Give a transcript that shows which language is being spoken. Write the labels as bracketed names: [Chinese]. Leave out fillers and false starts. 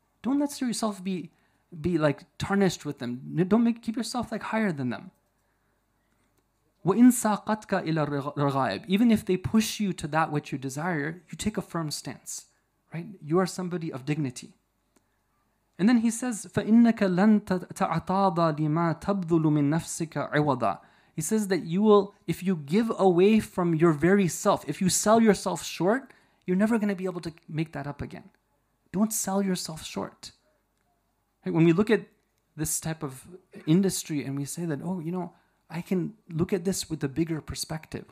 [English] Don't let yourself be like tarnished with them. Don't keep yourself like higher than them. [Arabic] وَإِن سَاقَتْكَ إِلَى الرَّغَائِبِ. [English] Even if they push you to that which you desire, you take a firm stance, right? You are somebody of dignity. And then he says, [Arabic] فَإِنَّكَ لَن تَعْتَاضَ لِمَا تَبْذُلُ مِن نَفْسِكَ عِوَضًا. [English] He says that you will, if you give away from your very self, if you sell yourself short, you're never going to be able to make that up again. Don't sell yourself short. Right? When we look at this type of industry and we say that, oh, you know, I can look at this with a bigger perspective.